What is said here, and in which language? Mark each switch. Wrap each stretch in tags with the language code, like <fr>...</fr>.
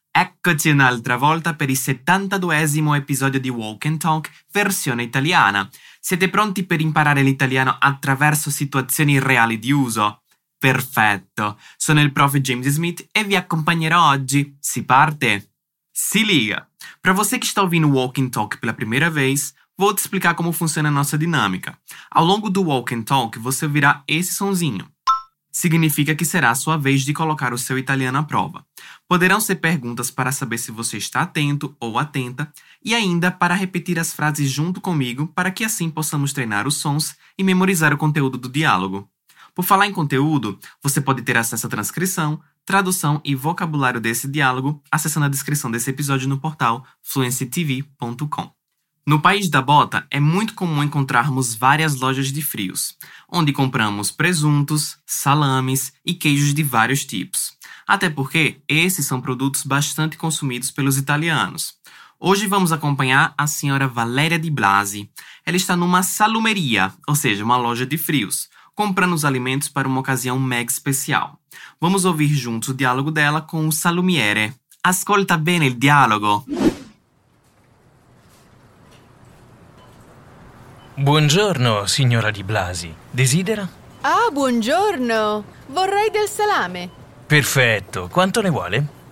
<it>Eccoci un'altra volta per il 72esimo episodio di Walk and Talk, versione italiana. Siete pronti per imparare l'italiano attraverso situazioni reali di uso? Perfetto! Sono il prof. James Smith e vi accompagnerò oggi. Si parte? Si liga! Per voi che sta</it> <pt>ouvindo Walk and Talk per la prima vez, vou te explicar como funciona a nossa dinâmica. Ao longo do Walk and Talk, você ouvirá esse sonzinho. Significa que será a sua vez de colocar o seu italiano à prova. Poderão ser perguntas para saber se você está atento ou atenta, e ainda para repetir as frases junto comigo, para que assim possamos treinar os sons e memorizar o conteúdo do diálogo. Por falar em conteúdo, você pode ter acesso à transcrição, tradução e vocabulário desse diálogo acessando a descrição desse episódio no portal fluencytv.com. No país da bota, é muito comum encontrarmos várias lojas de frios, onde compramos presuntos, salames e queijos de vários tipos. Até porque esses são produtos bastante consumidos pelos italianos. Hoje vamos acompanhar a senhora Valéria Di Blasi. Ela está numa salumeria, ou seja, uma loja de frios, comprando os alimentos para uma ocasião mega especial. Vamos ouvir juntos o diálogo dela com o salumiere.</pt> <it>Ascolta bene il dialogo! Buongiorno, signora Di Blasi. Desidera? Ah, buongiorno. Vorrei del salame. Perfetto. Quanto ne vuole?</it>